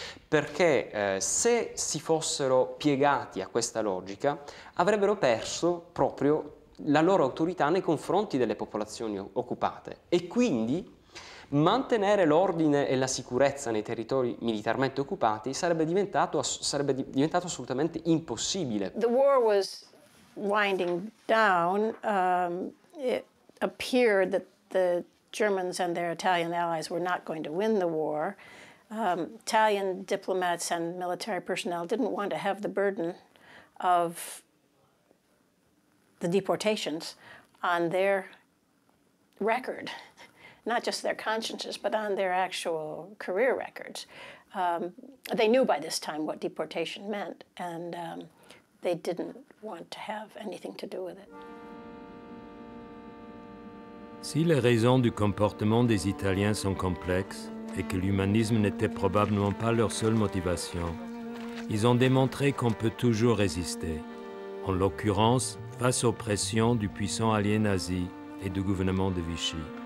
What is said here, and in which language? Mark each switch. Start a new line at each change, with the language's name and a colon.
Italian: Perché se si fossero piegati a questa logica, avrebbero perso proprio la loro autorità nei confronti delle popolazioni occupate. E quindi mantenere l'ordine e la sicurezza nei territori militarmente occupati sarebbe diventato assolutamente impossibile.
English: The war was winding down. It appeared that the Germans and their Italian allies were not going to win the war. Italian diplomats and military personnel didn't want to have the burden of the deportations on their record, not just their consciences, but on their actual career records. They knew by this time what deportation meant, and they didn't want to have anything to do with it.
French: Si les raisons du comportement des Italiens sont complexes et que l'humanisme n'était probablement pas leur seule motivation, ils ont démontré qu'on peut toujours résister, en l'occurrence face aux pressions du puissant allié nazi et du gouvernement de Vichy.